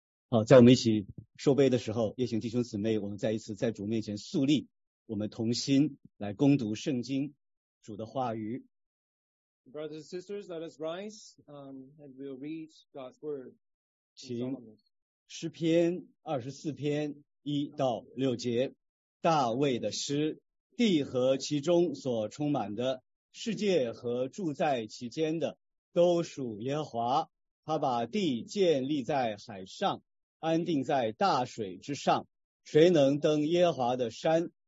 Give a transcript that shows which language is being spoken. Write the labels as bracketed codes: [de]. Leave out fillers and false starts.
[zh] 好，在我们一起受杯的时候，也请弟兄姊妹，我们再一次在主面前肃立，我们同心来攻读圣经主的话语。 [en] Brothers and sisters, let us rise, and we'll read God's word. [zh] 请诗篇24篇1-6节，大卫的诗，地和其中所充满的，世界和住在其间的，都属耶和华。他把地建立在海上，安定在大水之上，谁能登耶和华的山？